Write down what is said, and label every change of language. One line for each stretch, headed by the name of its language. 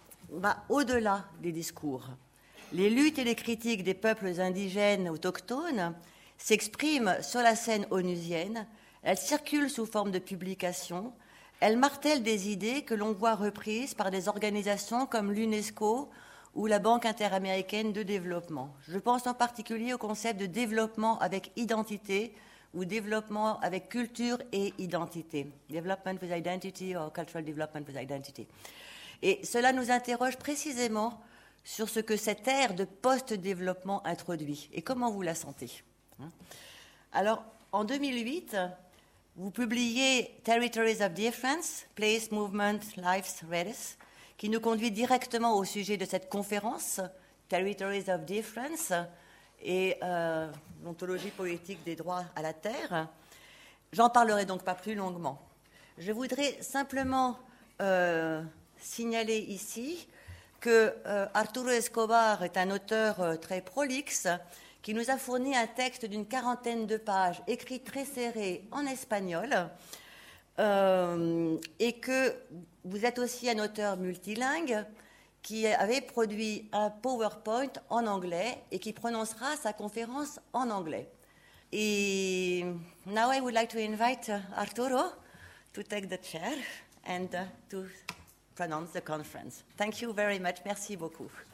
French: va au-delà des discours. Les luttes et les critiques des peuples indigènes autochtones s'expriment sur la scène onusienne, elles circulent sous forme de publications, elles martèlent des idées que l'on voit reprises par des organisations comme l'UNESCO ou la Banque interaméricaine de développement. Je pense en particulier au concept de développement avec identité ou développement avec culture et identité.
English: Development with identity or cultural development with identity.
French: Et cela nous interroge précisément sur ce que cette ère de post-développement introduit et comment vous la sentez. Alors, en 2008, vous publiez Territories of Difference, Place, Movement, Life's Redis, qui nous conduit directement au sujet de cette conférence, Territories of Difference et l'ontologie politique des droits à la terre. J'en parlerai donc pas plus longuement. Je voudrais simplement signaler ici que Arturo Escobar est un auteur très prolixe qui nous a fourni un texte d'une quarantaine de pages écrit très serré en espagnol et que vous êtes aussi un auteur multilingue qui avait produit un PowerPoint en anglais et qui prononcera sa conférence en anglais.
English: Et now I would like to invite Arturo to take the chair and to pronounce the conference. Thank you very much.
French: Merci beaucoup.